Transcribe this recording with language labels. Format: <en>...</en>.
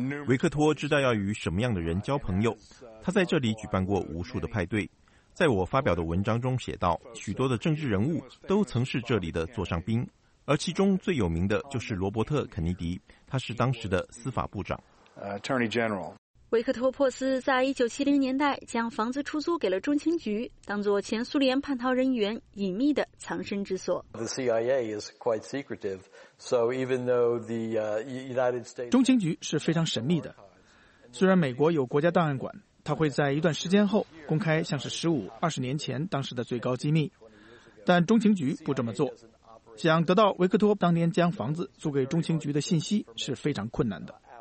<zh>维克托知道要与什么样的人交朋友。他在这里举办过无数的派对，在我发表的文章中写道，许多的政治人物都曾是这里的座上宾，而其中最有名的就是罗伯特·肯尼迪，他是当时的司法部长。</zh> <en>Attorney General.</en> <zh>维克托·珀斯在1970年代将房子出租给了中情局，当作前苏联叛逃人员隐秘的藏身之所。</zh> <en>The CIA is quite secretive, so even though the United States</en> <zh>中情局是非常神秘的，虽然美国有国家档案馆。他会在一段时间后公开像是15、20年前当时的最高机密，但中情局不这么做。想得到维克托当年将房子租给中情局的信息是非常困难的。</zh>